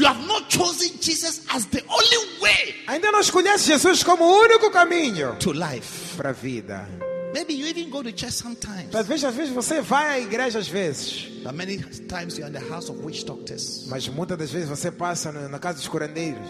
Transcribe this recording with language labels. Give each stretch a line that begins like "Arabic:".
English: You have not chosen Jesus as the only way.
Portuguese: Ainda não escolheste Jesus como o único caminho
English: to life.
Portuguese: Para a vida.
English: Maybe you even go to church sometimes.
Portuguese: Talvez às vezes você vai à igreja às vezes.
English: But many times you are in the house of witch doctors.
Portuguese: Mas muitas das vezes você passa na casa dos curandeiros.